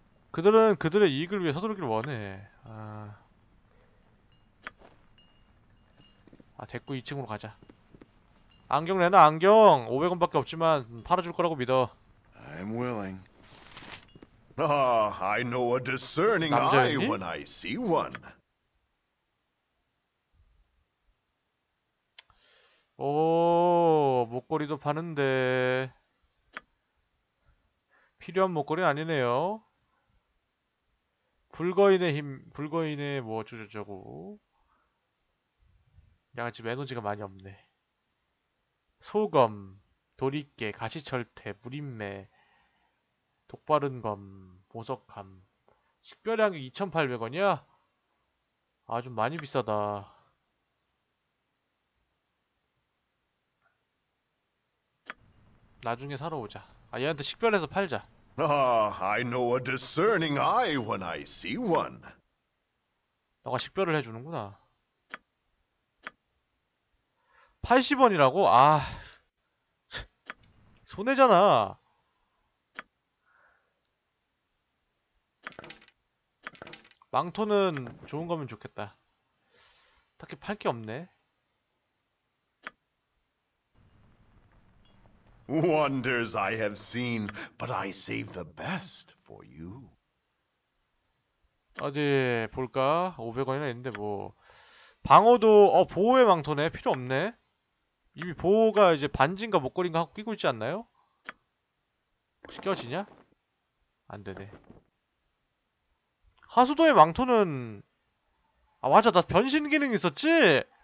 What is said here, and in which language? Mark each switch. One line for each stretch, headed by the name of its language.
Korean: 그들은 그들의 이익을 위해 서두르기를 원해. 아 됐고 2층으로 가자. 안경 내놔 안경. 500원밖에 없지만 팔아줄 거라고 믿어.
English: I'm willing. Ah, I know a discerning eye when I see one.
Korean: 오 목걸이도 파는데 필요한 목걸이 아니네요. 불거인의 힘, 불거인의 뭐 어쩌고저쩌고. 야 지금 에너지가 많이 없네. 소검, 도리깨, 가시철퇴, 무림매, 독바른 검, 보석함. 식별량이 2,800원이야? 아 좀 많이 비싸다. 나중에 사러 오자. 아 얘한테 식별해서 팔자.
English: I know a discerning eye when I see one.
Korean: 너가 식별을 해주는구나. 80원이라고? 아, 손해잖아. 망토는 좋은 거면 좋겠다. 딱히 팔 게 없네.
English: Wonders I have seen, but I save the best for you.
Korean: 어디 볼까? 500원이나 있는데 뭐 방어도 보호의 망토네 필요 없네. 이미 보호가 이제 반지인가 목걸이인가 하고 끼고 있지 않나요? 혹시 껴지냐? 안 되네. 하수도의 망토는 아 맞아 나 변신 기능 있었지?